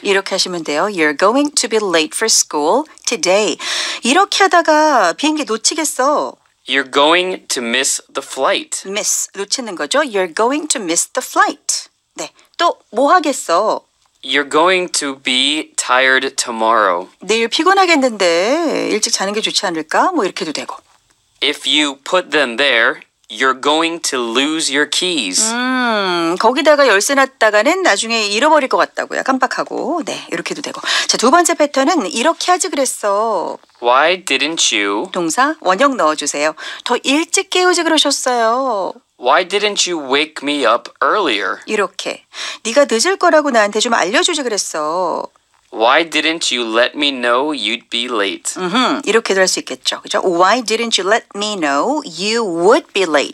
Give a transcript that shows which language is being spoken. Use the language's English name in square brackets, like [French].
[Korean] 이렇게 하시면 돼요. [English] You're going to be late for school today. [Korean] 이렇게 하다가 비행기 놓치겠어. [English] You're going to miss the flight. Miss [Korean] 놓치는 거죠. [English] You're going to miss the flight. [Korean] 네. 또 뭐 하겠어? [English] You're going to be tired tomorrow. [Korean] 내일 피곤하겠는데 일찍 자는 게 좋지 않을까? 뭐 이렇게도 되고. [English] If you put them there, you're going to lose your keys. [Korean] 거기다가 열쇠 놨다가는 나중에 잃어버릴 것 같다고요. 깜빡하고. 네, 이렇게도 되고. 자, 두 번째 패턴은 이렇게 하지 그랬어. [English] Why didn't you? [Korean] 동사 원형 넣어주세요. 더 일찍 깨우지 그러셨어요. [English] Why didn't you wake me up earlier? [Korean] 이렇게. 네가 늦을 거라고 나한테 좀 알려주지 그랬어. [English] Why didn't you let me know you'd be late? [Korean] 이렇게도 할 수 있겠죠. 그죠? [English] Why didn't you let me know you would be late?